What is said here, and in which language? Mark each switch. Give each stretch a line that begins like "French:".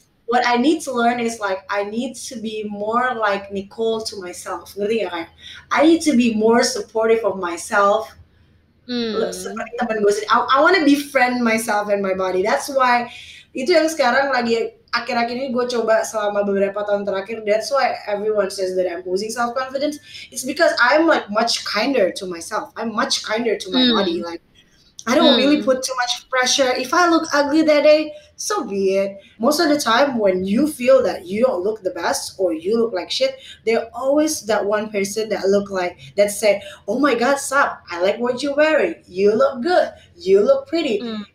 English: What I need to learn is like, I need to be more like Nicole to myself.
Indonesian: Ngerti gak, kayak?
English: I need to be more supportive of myself
Indonesian: seperti teman gue sih.
English: I wanna befriend myself and my body. That's why
Indonesian: itu yang sekarang lagi akhir-akhir ini gue coba selama beberapa tahun terakhir.
English: That's why everyone says that I'm losing self-confidence. It's because I'm like much kinder to myself. I'm much kinder to my body. Like I don't really put too much pressure. If I look ugly that day, so be it. Most of the time when you feel that you don't look the best or you look like shit, there's always that one person that look like, that say, oh my God, stop, I like what you're wearing. You look good. You look pretty. Mm.